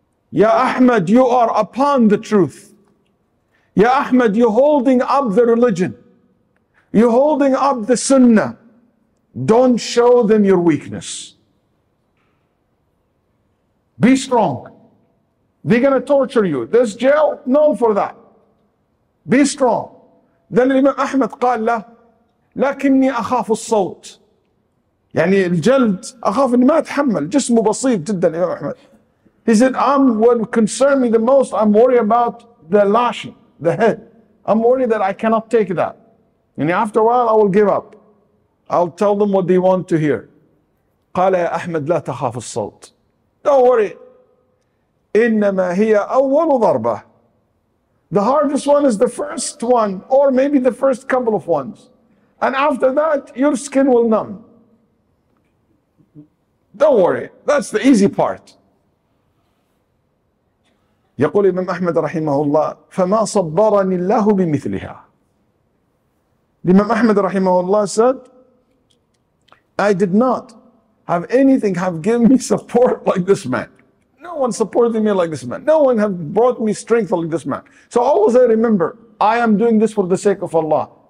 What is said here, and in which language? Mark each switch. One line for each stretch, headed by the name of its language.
English: Ya Ahmed, you are upon the truth. Ya Ahmed, you're holding up the religion. You're holding up the sunnah. Don't show them your weakness. Be strong. They're going to torture you. There's jail known for that. Be strong. Then
Arabic: Imam Ahmad قال له لكني أخاف الصوت يعني الجلد أخاف أني ما أتحمل جسمه بسيط جدا يا أحمد.
English: He said, I'm what concerns me the most, I'm worried about the lashing, the head. I'm worried that I cannot take that. And after a while, I will give up. I'll tell them what they want to hear.
Arabic: قال يا أحمد لا تخاف الصوت.
English: Don't worry.
Arabic: إنما هي أول ضربة.
English: The hardest one is the first one, or maybe the first couple of ones. And after that, your skin will numb. Don't worry. That's the easy part.
Arabic: يقول إمام أحمد رحمه الله فما صبرني الله بمثلها.
English: إمام أحمد رحمه الله said, I did not have anything have given me support like this man. No one supported me like this man. No one have brought me strength like this man. So always I remember, I am doing this for the sake of Allah.